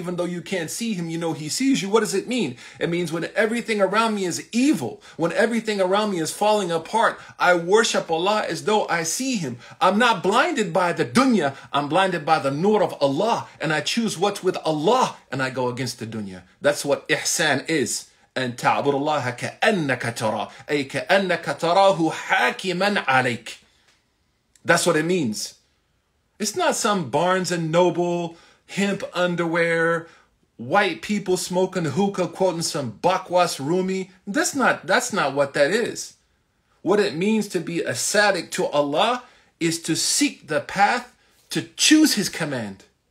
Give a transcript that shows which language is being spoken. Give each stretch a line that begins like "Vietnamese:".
English: Even though you can't see him, you know he sees you. What does it mean? It means when everything around me is evil, when everything around me is falling apart, I worship Allah as though I see him. I'm not blinded by the dunya. I'm blinded by the nur of Allah. And I choose what's with Allah and I go against the dunya. That's what ihsan is.
Arabic: أن تعبر الله كأنك ترى أي كأنك تراه حاكما عليك.
English: That's what it means. It's not some Barnes and Noble hemp underwear, white people smoking hookah, quoting some Bakwas Rumi. That's not what that is. What it means to be a sadiq to Allah is to seek the path to choose his command.